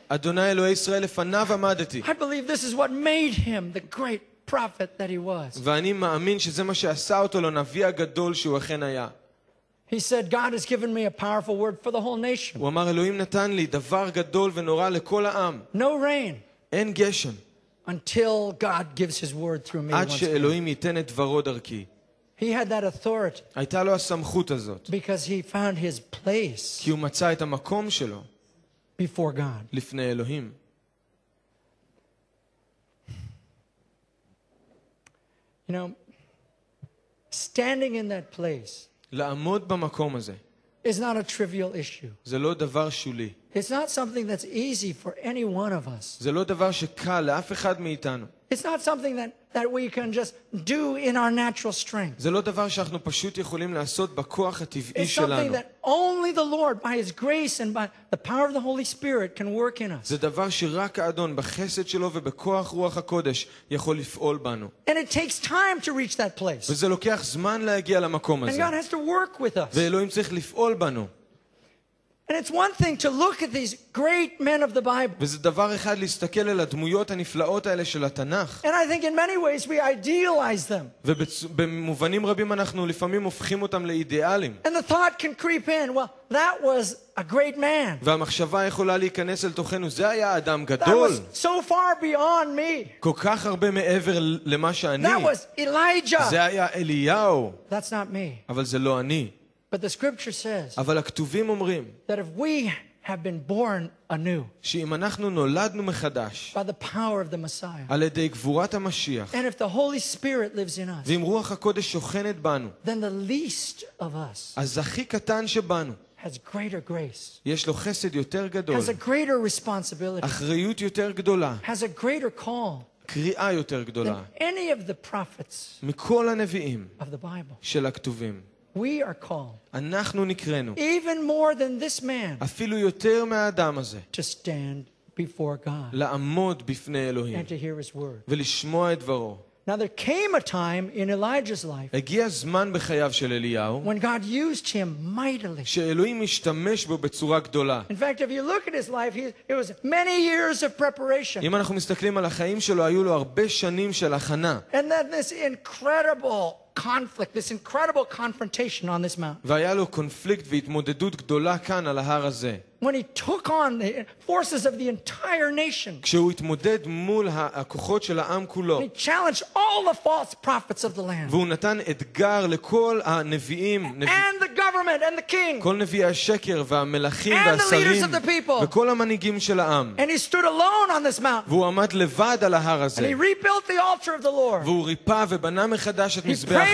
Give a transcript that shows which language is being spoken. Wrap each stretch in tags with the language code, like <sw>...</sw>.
<he>אדוני אלוהי ישראל לפניו עמדתי.</he> <en>I believe this is what made him the great prophet that he was.</en> <he>ואני מאמין שזה מה שעשה אותו לנביא הגדול שהוא אכן היה.</he> <en>He said, "God has given me a powerful word for the whole nation."</en> <he>הוא אמר, אלוהים נתן לי דבר גדול ונורא לכל העם.</he> <en>No rain.</en> <he>אין גשם.</he> <en>Until God gives his word through me.</en> <he>עד שאלוהים ייתן את דברו דרכי.</he> <en>He had that authority.</en> <he>הייתה לו הסמכות הזאת.</he> <en>Because he found his place.</en> <he>כי הוא מצא את המקום שלו.</he> <en>Before God.</en> <he>לפני אלוהים.</he> <en>You know, standing in that place,</en> <he>לעמוד במקום הזה,</he> <en>is not a trivial issue.</en> <he>זה לא דבר שולי.</he> <en>It's not something that's easy for any one of us.</en> <he>זה לא דבר שקל לאף אחד מאיתנו.</he> <en>It's not something that we can just do in our natural strength.</en> <he>זה לא דבר שאנחנו פשוט יכולים לעשות בכוח הטבעי שלנו.</he> <en>It's something that only the Lord, by His grace and by the power of the Holy Spirit, can work in us.</en> <he>זה דבר שרק האדון בחסד שלו ובכוח רוח הקודש יכול לפעול בנו.</he> <en>And it takes time to reach that place.</en> <he>וזה לוקח זמן להגיע למקום הזה.</he> <en>And God has to work with us.</en> <he>ואלוהים צריך לפעול בנו.</he> <en>And it's one thing to look at these great men of the Bible.</en> <he>וזה דבר אחד להסתכל על הדמויות הנפלאות האלה של התנ"ך.</he> <en>And I think in many ways we idealize them.</en> <he>ובמובנים רבים אנחנו לפעמים הופכים אותם לאידיאלים.</he> <en>And the thought can creep in, well, that was a great man.</en> <he>והמחשבה יכולה להיכנס אל תוכנו, זה היה אדם גדול.</he> <en>That was so far beyond me.</en> <he>כל כך הרבה מעבר למה שאני.</he> <en>That was Elijah.</en> <he>זה היה אליהו.</he> <en>That's not me.</en> <he>אבל זה לא אני.</he> <en>But the scripture says that if we have been born anew,</en> <he>שאם אנחנו נולדנו מחדש,</he> <en>by the power of the Messiah,</en> <he>על ידי גבורת המשיח,</he> <en>and if the Holy Spirit lives in us,</en> <he>ואם רוח הקודש שוכנת בנו,</he> <en>then the least of us,</en> <he>אז הכי קטן שבנו,</he> <en>has greater grace,</en> <he>יש לו חסד יותר גדול,</he> <en>has a greater responsibility,</en> <he>אחריות יותר גדולה,</he> <en>has a greater call,</en> <he>קריאה יותר גדולה,</he> <en>than any of the prophets,</en> <he>מכל הנביאים,</he> <en>of the Bible,</en> <he>של הכתובים.</he> <en>We are called.</en> <he>אנחנו נקראנו.</he> <en>Even more than this man.</en> <he>אפילו יותר מהאדם הזה.</he> <en>To stand before God.</en> <he>לעמוד בפני אלוהים.</he> <en>And to hear his word.</en> <he>ולשמוע את דברו.</he> <en>Now there came a time in Elijah's life.</en> <he>הגיע זמן בחייו של אליהו.</he> <en>When God used him mightily.</en> <he>שאלוהים השתמש בו בצורה גדולה.</he> <en>In fact, if you look at his life, it was many years of preparation.</en> <he>אם אנחנו מסתכלים על החיים שלו, היו לו הרבה שנים של הכנה.</he> <en>And then this incredible conflict, this incredible confrontation on this mountain.</en> <he>והיה לו קונפליקט והתמודדות גדולה כאן על ההר הזה.</he> <en>When he took on the forces of the entire nation.</en> <he>כשהוא התמודד מול הכוחות של העם כולו.</he> <en>He challenged all the false prophets of the land.</en> <he>והוא נתן אתגר לכל הנביאים.</he> <en>And the government and the king.</en> <he>כל נביאי השקר והמלכים</he> <en>and</en> <he>והשרים.</he> <en>And the leaders of the people.</en> <he>וכל המנהיגים של העם.</he> <en>And he stood alone on this mountain.</en> <he>והוא עמד לבד על ההר הזה.</he> <en>And he rebuilt the altar of the Lord.</en> <he>והוא ריפא ובנה מחדש את מזבח</he>